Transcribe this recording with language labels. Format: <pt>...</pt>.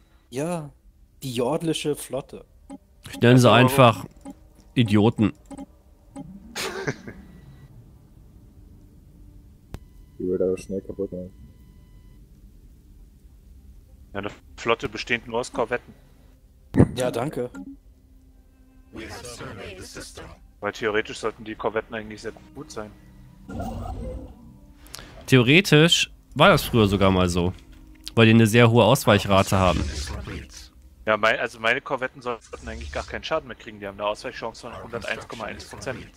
<de>Ja, die Jordlische Flotte. Ich nenne sie einfach Idioten. Die würde aber schnell kaputt machen. Ja, eine Flotte besteht nur aus Korvetten. Ja, danke.</de> <en>We have surveyed the system.</en> <de>Weil theoretisch sollten die Korvetten eigentlich sehr gut sein. Theoretisch war das früher sogar mal so. Weil die eine sehr hohe Ausweichrate haben. Ja, also meine Korvetten sollten eigentlich gar keinen Schaden mehr kriegen. Die haben eine Ausweichchance von 101,1%.</de>